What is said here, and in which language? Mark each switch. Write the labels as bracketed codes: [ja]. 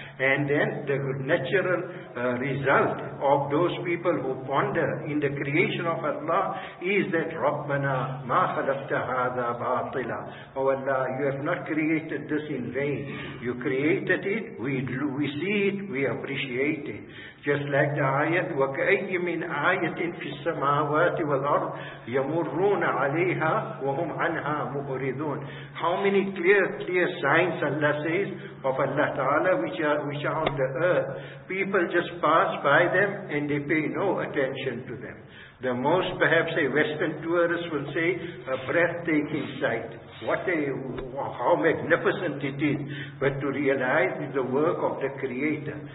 [en] And then the natural result of those people who ponder in the creation of Allah is that [ar] Rabbana ma khalaqta hadha batila. [en] Oh Allah, you have not created this in vain. You created it, we see it, we appreciate it. Just like the ayat, [ar] وَكَأَيِّ مِنْ آيَةٍ فِي السَّمَاوَاتِ وَالْأَرْضِ يَمُرُّونَ عَلَيْهَا وَهُمْ عَنْهَا مُؤْرِضُونَ. [en] How many clear signs Allah says of Allah Ta'ala which are on the earth. People just pass by them and they pay no attention to them. The most perhaps a Western tourist will say, a breathtaking sight. How magnificent it is, but to realize it's the work of the Creator.